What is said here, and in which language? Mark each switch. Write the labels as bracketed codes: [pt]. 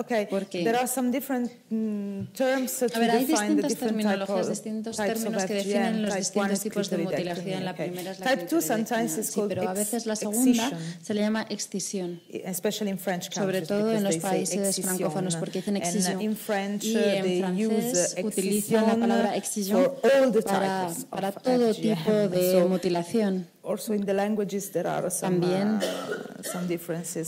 [en] Porque there are some different terms to define the different types. [es] A ver, hay distintas terminologías, distintos términos que definen los distintos tipos de mutilación. La primera es la clitoridectomía. Sí, pero a veces la segunda se le llama excisión. [en] Especially in French countries, [es] sobre todo en los países francófonos, porque dicen excisión. [en] In French, they use excisión [es] la palabra excisión para todo tipo de mutilación. [en] Also in the languages there are some differences.